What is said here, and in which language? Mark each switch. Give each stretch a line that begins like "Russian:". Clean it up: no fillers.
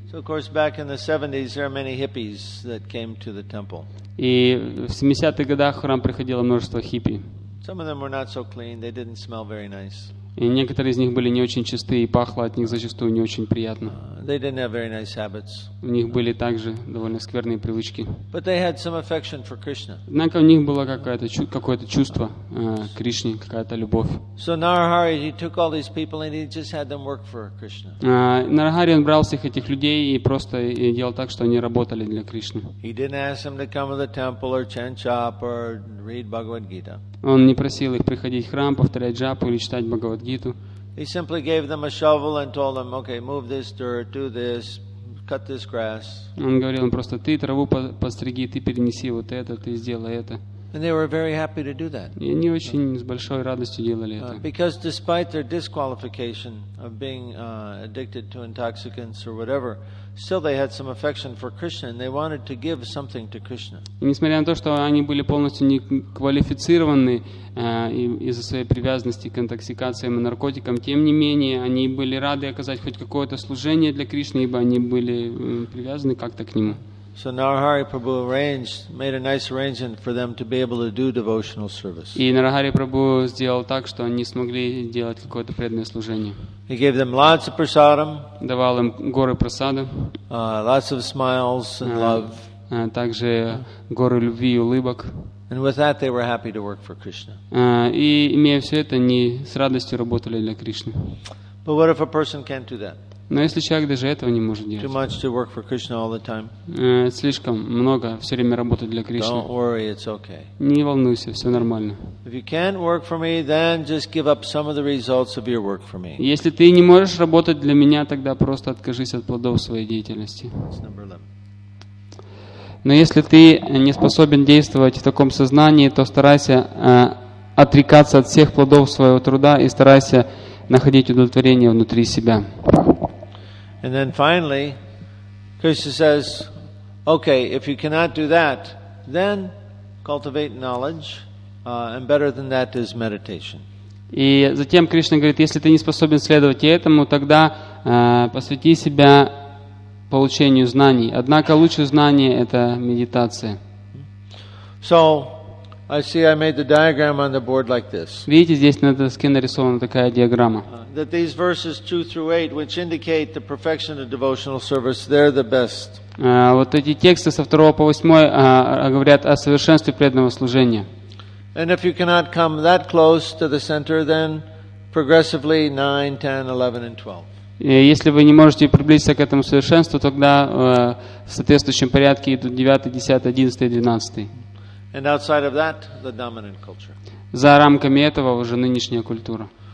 English: So, of course, back in the 70s, there are many hippies that came to the temple.
Russian: И в 70-х годах в храм приходило множество хиппи.
English: Some of them were not so clean, they didn't smell very nice.
Russian: И некоторые из них были не очень чисты, и пахло от них зачастую не очень приятно.
English: They didn't have very nice habits.
Russian: У них были также довольно скверные привычки.
English: But they had some affection for Krishna.
Russian: Однако у них было какое-то чувство к Кришне, какая-то любовь.
English: So Narahari, he took all these people and he just had them work for Krishna.
Russian: Нарахари, он брал всех этих людей и просто делал так, что они работали для Кришны.
English: He didn't ask them to come to the temple or chant japa or read Bhagavad Gita.
Russian: Он не просил их приходить в храм, повторять джапу или читать Бхагавад-гиту.
English: He simply gave them a shovel and told them, "Okay, move this dirt, do this, cut this grass."
Russian: Он говорил им просто: "Ты траву постриги, ты перенеси вот это, ты сделай это."
English: And they were very happy to do that.
Russian: И они очень с большой радостью делали это.
English: Because despite their disqualification of being addicted to intoxicants or whatever, still they had some affection for Krishna and they wanted to give something to Krishna.
Russian: И несмотря на то, что они были полностью не квалифицированы из-за своей привязанности к интоксикациям и наркотикам, тем не менее они были рады оказать хоть какое-то служение для Кришны, ибо они были привязаны как-то к нему.
English: So Narahari Prabhu arranged, made a nice arrangement for them to be able to do devotional service.
Russian: И Нарахари Прабху сделал так, что они смогли делать какое-то преданное служение.
English: He gave them lots of prasadam.
Russian: Давал им горы просады.
English: Lots of smiles and love.
Russian: Также горы любви и улыбок.
English: And with that, they were happy to work for Krishna.
Russian: И имея все это, они с радостью работали для Кришны.
English: But what if a person can't do that?
Russian: Но если человек даже этого не может делать, слишком много все время работать для Кришны, не волнуйся, все нормально. Если ты не можешь работать для меня, тогда просто откажись от плодов своей деятельности. Но если ты не способен действовать в таком сознании, то старайся отрекаться от всех плодов своего труда и старайся находить удовлетворение внутри себя.
English: And then finally, Krishna says, okay, if you cannot do that, then cultivate knowledge, and better than that is meditation.
Russian: И затем Кришна говорит, если ты не способен следовать этому, тогда посвяти себя получению знаний. Однако лучшее знание — это медитация.
English: So, I see I made the diagram on the board like this.
Russian: Видите, здесь на доске нарисована такая диаграмма.
English: That these verses 2 through 8, which indicate the perfection of devotional service, they're the best.
Russian: Вот эти тексты со 2 по 8 говорят о совершенстве преданного служения.
English: And if you cannot come that close to the center, then progressively 9, 10, 11, and 12.
Russian: И если вы не можете приблизиться к этому совершенству, тогда в соответствующем порядке идут 9, 10, 11, 12.
English: And outside of that, the dominant culture.
Russian: За рамками этого уже нынешняя культура.